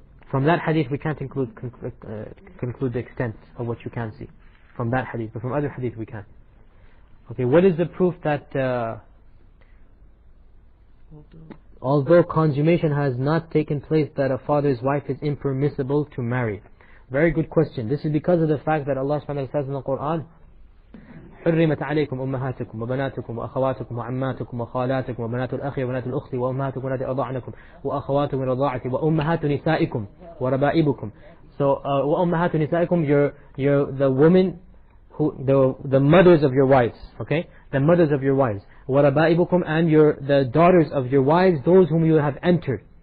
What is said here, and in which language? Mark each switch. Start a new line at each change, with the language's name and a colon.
English: From that hadith, we can't conclude the extent of what you can see. From that hadith. But from other hadith, we can. Okay, what is the proof that although consummation has not taken place, that a father's wife is impermissible to marry? Very good question. This is because of the fact that Allah subhanahu wa ta'ala says in the Quran,
Arabic: حرمت عليكم أمهاتكم وبناتكم وأخواتكم وعماتكم وخالاتكم وبنات الأخ وبنات الأخت وأمهاتكم التي أرضعنكم وأخواتكم رضاعتي وأمهات نسائكم وربائبكم.
English: So
Arabic: وأمهات نسائكم,
English: you're the women who the mothers of your wives, okay, the mothers of your wives, وربائبكم and your the daughters of your wives, those whom you have entered.